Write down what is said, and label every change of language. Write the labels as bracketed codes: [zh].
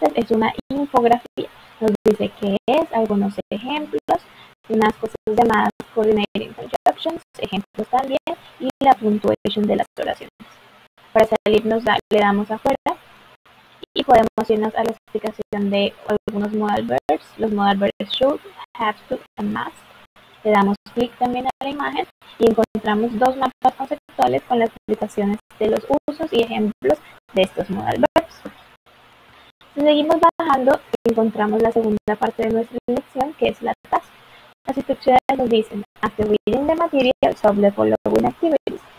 [es] Es una infografía, nos dice qué es, algunos ejemplos, unas cosas llamadas Coordinating Conjunctions, ejemplos también, y la puntuación de las oraciones. Para salirnos le damos afuera y podemos irnos a la explicación de algunos modal verbs. [en] Los modal verbs should, have to, and must. [es] Le damos clic también a la imagen y encontramos dos mapas conceptuales con las explicaciones de los usos y ejemplos de estos modal verbs. Si seguimos bajando, encontramos la segunda parte de nuestra lección, que es la task. Las instrucciones nos dicen, [en] after reading the material, solve the following activities.